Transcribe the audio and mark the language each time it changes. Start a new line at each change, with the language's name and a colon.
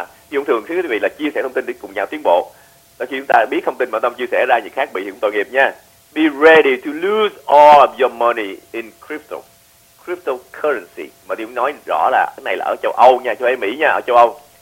Vietnamese: Tí Dũng thường thưa quý vị là chia sẻ thông tin để cùng nhau tiến bộ. Đó, khi chúng ta biết thông tin mà tâm chia sẻ ra gì khác bị thì cũng tội nghiệp nha.
English: Be ready to lose all of your money in crypto, cryptocurrency.
Vietnamese: Mà điểm nói rõ là cái này là ở châu Âu nha, châu Âu Mỹ nha, ở châu Âu.